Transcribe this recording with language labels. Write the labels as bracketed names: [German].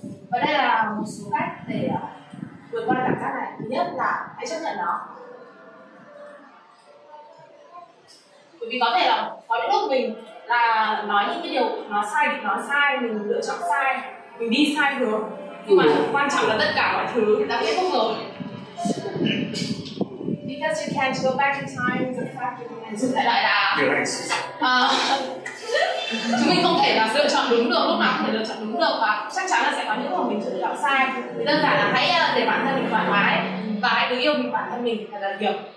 [Vietnamese] Và đây là một số cách để vượt qua cảm giác này. Thứ nhất là hãy chấp nhận nó. Bởi vì có thể là có những lúc mình là nói những cái điều nó sai, mình lựa chọn sai, mình đi sai hướng. Nhưng mà quan trọng là tất cả mọi thứ đã kết thúc rồi. [English] Because you can't go back in time, the fact that you can't do that. [Vietnamese] Chúng mình không thể là lựa chọn đúng được, lúc nào cũng phải lựa chọn đúng được. Và chắc chắn là sẽ có những lúc mình lựa chọn sai. Thì đơn giản là hãy để bản thân mình thoải mái và hãy cứ yêu mình bản thân mình thật là nhiều.